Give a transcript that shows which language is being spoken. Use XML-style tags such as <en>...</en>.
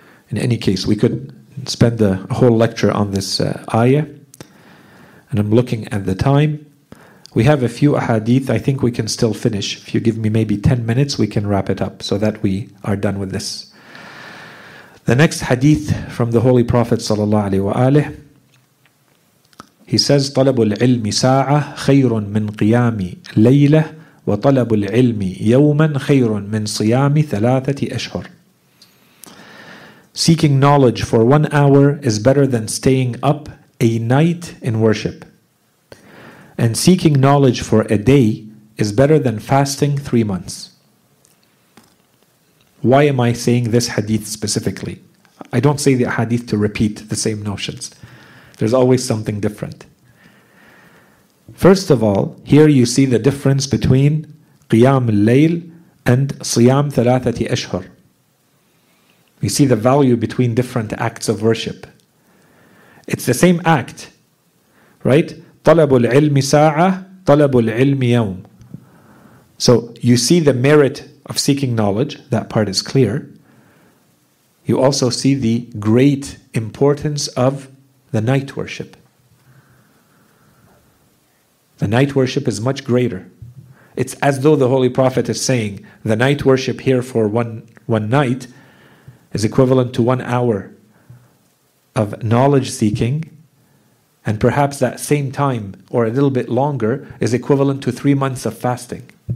<en>In any case, we could spend a whole lecture on this ayah. And I'm looking at the time. We have a few ahadith. I think we can still finish. If you give me maybe 10 minutes, we can wrap it up so that we are done with this. The next hadith from the Holy Prophet sallallahu alaihi wa alihi, he says,</en> <ar>طلب العلم ساعة خير من قيام ليلة وطلب العلم يوما خير من صيام ثلاثة أشهر.</ar> <en>Seeking knowledge for 1 hour is better than staying up a night in worship. And seeking knowledge for a day is better than fasting 3 months. Why am I saying this hadith specifically? I don't say the hadith to repeat the same notions. There's always something different. First of all, here you see the difference between Qiyam al-Layl and Siyam Thalathati Ashhar. We see the value between different acts of worship. It's the same act, right?</en> <ar>طلب العلم ساعة طلب العلم يوم.</ar> <en>So you see the merit of seeking knowledge, that part is clear. You also see the great importance of the night worship. The night worship is much greater. It's as though the Holy Prophet is saying, the night worship here for one night is equivalent to 1 hour of knowledge seeking, and perhaps that same time, or a little bit longer, is equivalent to 3 months of fasting.</en>